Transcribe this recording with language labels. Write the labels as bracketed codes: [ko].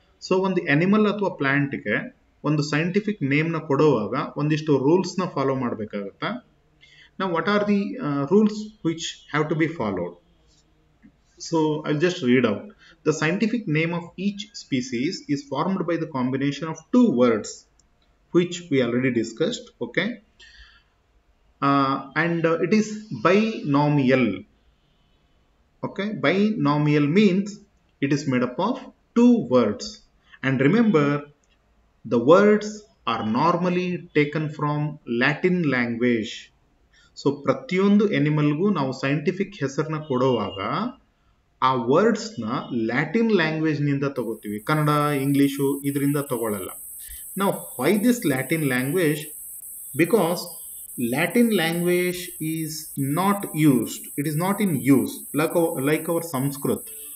[kn] So ಒಂದು animal ಅಥವಾ ಪ್ಲಾಂಟ್ಗೆ ಒಂದು ಸೈಂಟಿಫಿಕ್ ನೇಮ್ನ ಕೊಡುವಾಗ ಒಂದಿಷ್ಟು ರೂಲ್ಸ್ನ ಫಾಲೋ ಮಾಡಬೇಕಾಗುತ್ತೆ. [en] Now what are the rules which have to be followed? So I just read out. The scientific name of each species is formed by the combination of two words. which we already discussed, okay? And it is binomial, okay? Binomial means it is made up of two words. And remember, the words are normally taken from Latin language. [kn] So, pratyondu animal gu now scientific hesarna kodovaga, ಆ ವರ್ಡ್ಸ್ನ Latin ಲ್ಯಾಂಗ್ವೇಜ್ನಿಂದ ತಗೋತೀವಿ, Kannada English ಇದರಿಂದ ತಗೊಳ್ಳಲ್ಲ. [en] ನಾವು why this Latin language? Because Latin language is not used, it is not in use like our Sanskrit.